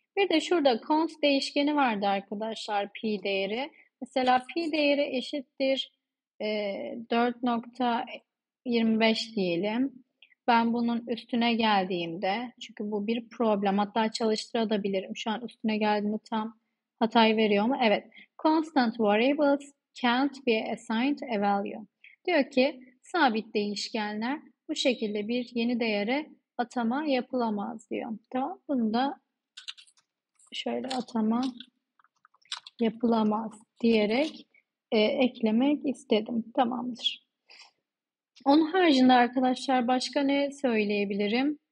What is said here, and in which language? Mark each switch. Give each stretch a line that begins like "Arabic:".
Turkish: Bir de şurada const değişkeni vardı arkadaşlar pi değeri. Mesela pi değeri eşittir 4,25 diyelim. Ben bunun üstüne geldiğimde çünkü bu bir problem. Hatta çalıştırabilirim. Şu an üstüne geldiğimde tam hatayı veriyor mu? Evet.
English: Constant variables can't be assigned a value.
Turkish: Diyor ki sabit değişkenler bu şekilde bir yeni değere atama yapılamaz diyor. Tamam. Bunu da şöyle atama yapılamaz diyerek eklemek istedim. Tamamdır. Onun haricinde arkadaşlar başka ne söyleyebilirim?